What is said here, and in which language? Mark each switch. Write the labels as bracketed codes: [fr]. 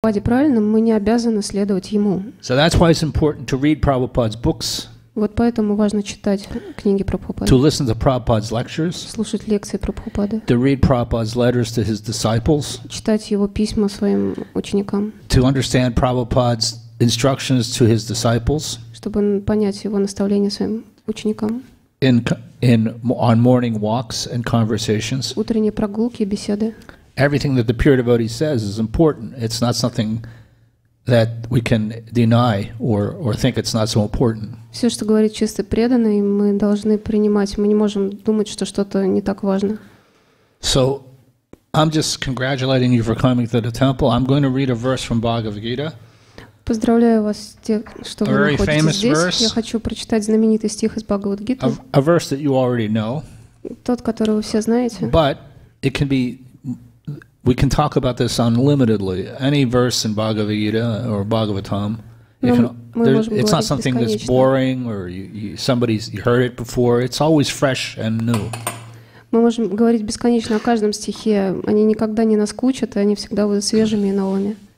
[ru] Прабхупаде правильно, мы не обязаны следовать ему. [en] So that's why it's important to read Prabhupada's books. [ru] Вот поэтому важно читать книги Прабхупады. [en] To listen to Prabhupada's lectures. [ru] Слушать лекции Прабхупады. [en] To read Prabhupada's letters to his disciples. [ru] Читать его письма своим ученикам. [en] To understand Prabhupada's instructions to his disciples. [ru] Чтобы понять его наставления своим ученикам. [en] In on morning walks and conversations. [ru] Утренние прогулки и беседы. [en] Everything that the pure devotee says is important. It's not something that we can deny or think it's not so important. [ru] Все, что говорит чистый преданный, мы должны принимать. Мы не можем думать, что что-то не так важно. [en] So, I'm just congratulating you for coming to the temple. I'm going to read a verse from Bhagavad Gita. [ru] Поздравляю вас, те, что вы находитесь здесь. Я хочу прочитать знаменитый стих из Бхагавад Гиты. [en] A verse that you already know. [ru] Тот, который вы все знаете. [en] But it can be. We can talk about this unlimitedly. Any verse in Bhagavad Gita or Bhagavatam, it's not something that's boring or somebody's heard it before. It's always fresh and new. [ru] Мы можем говорить бесконечно о каждом стихе. Они никогда не наскучат, и они всегда будут свежими и новыми.